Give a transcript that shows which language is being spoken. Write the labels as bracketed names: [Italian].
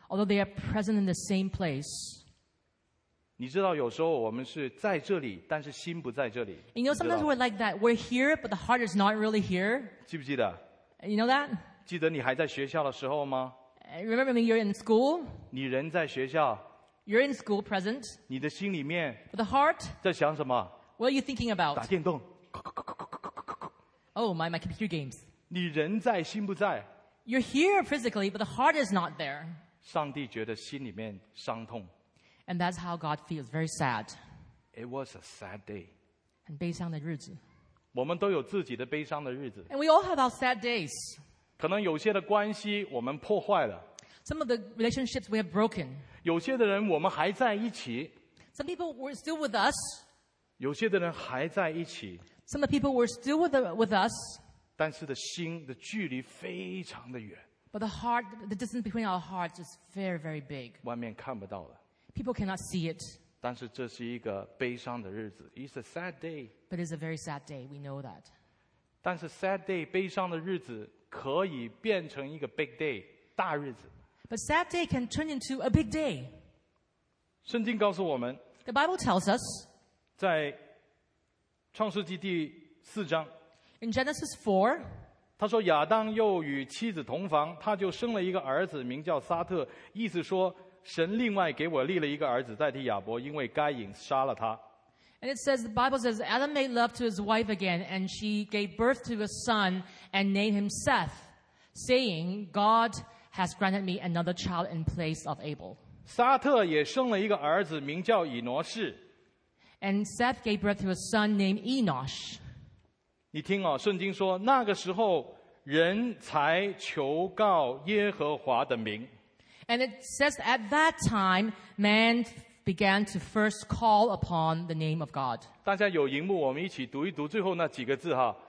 [English] Although they are present in the same place. [Chinese] 你知道有时候我们是在这里，但是心不在这里。 [English] You know, sometimes we're like that. We're here, but the heart is not really here. [Chinese] 记不记得？ [English] You know that? [Chinese] 记得你还在学校的时候吗？ [English] Remember when you're in school? [Chinese] 你人在学校。 [English] You're in school present. [Chinese] 你的心里面。 [English] But the heart? [Chinese] 在想什么？ [English] What are you thinking about? [Chinese] 打电动。 [English] Oh, my computer games. [Chinese] 你人在心不在。 [English] You're here physically, but the heart is not there. [Chinese] 上帝觉得心里面伤痛。 [English] And that's how God feels, very sad. It was a sad day. [Chinese] 很悲伤的日子。我们都有自己的悲伤的日子。 [English] And we all have our sad days. [Chinese] 可能有些的关系我们破坏了。 [English] Some of the relationships we have broken. [Chinese] 有些的人我们还在一起。 [English] Some people were still with us. [Chinese] 有些的人还在一起。 [English] Some of the people were still with us. [Chinese] 但是的心的距离非常的远。 [English] But the heart, the distance between our hearts is very, very big. [Chinese] 外面看不到了。 [English] People cannot see it. [Chinese] 但是这是一个悲伤的日子。 [English] It's a sad day. But it's a very sad day. We know that. [Chinese] 但是 [English] sad day, [Chinese] 悲伤的日子可以变成一个 [English] big day, [Chinese] 大日子。 [English] But sad day can turn into a big day. [Chinese] 圣经告诉我们。 [English] The Bible tells us. [Chinese] 在创世纪第四章 [English] In Genesis 4, [Chinese] 他说亚当又与妻子同房，他就生了一个儿子，名叫撒特，意思说神另外给我立了一个儿子代替亚伯，因为该隐杀了他。 [English] And it says, the Bible says, Adam made love to his wife again, and she gave birth to a son, and named him Seth, saying, God has granted me another child in place of Abel. [Chinese] 撒特也生了一个儿子，名叫以挪士。 [English] And Seth gave birth to a son named Enosh. [Chinese] 你听哦，圣经说那个时候人才求告耶和华的名。 [English] And it says at that time man began to first call upon the name of God. [Chinese] 大家有荧幕，我们一起读一读最后那几个字哈。